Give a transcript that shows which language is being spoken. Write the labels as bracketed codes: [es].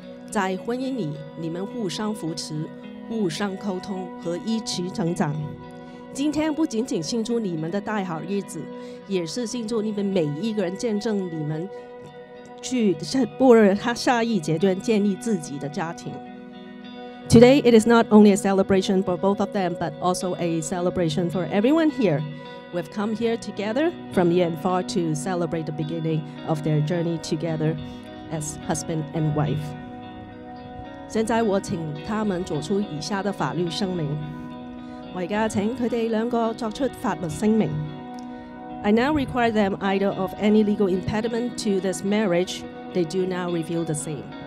[zh] 在婚姻里，你们互相扶持，互相沟通和一起成长。今天不仅仅庆祝你们的大好日子，也是庆祝你们每一个人见证你们去步入他下一阶段建立自己的家庭。 [en] Today it is not only a celebration for both of them, but also a celebration for everyone here. We've come here together from near and far to celebrate the beginning of their journey together as husband and wife. [zh] 现在我请他们做出以下的法律声明。我现在请他们两个作出法律声明。 [en] I now require them either of any legal impediment to this marriage, they do now reveal the same.